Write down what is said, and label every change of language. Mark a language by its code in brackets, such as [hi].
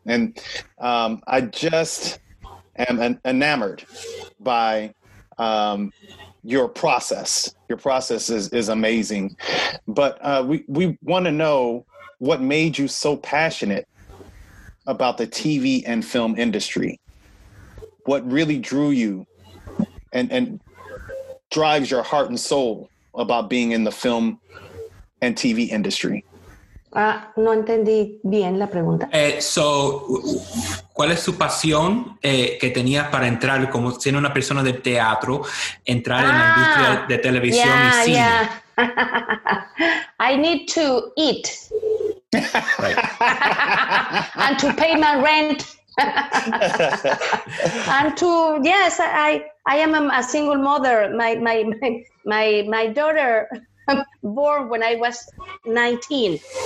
[en] And I just am enamored by your process is amazing, but we want to know what made you so passionate about the TV and film industry. What really drew you and drives your heart and soul about being in the film and TV industry? [es] No entendí bien la pregunta. [en] So, [es] ¿cuál es su pasión que tenía para entrar, como siendo una persona de teatro, entrar en la industria de televisión y cine? [en] Yeah. I need to eat. Right. And to pay my rent. And to, yes, I am a single mother. My daughter born when I was 19.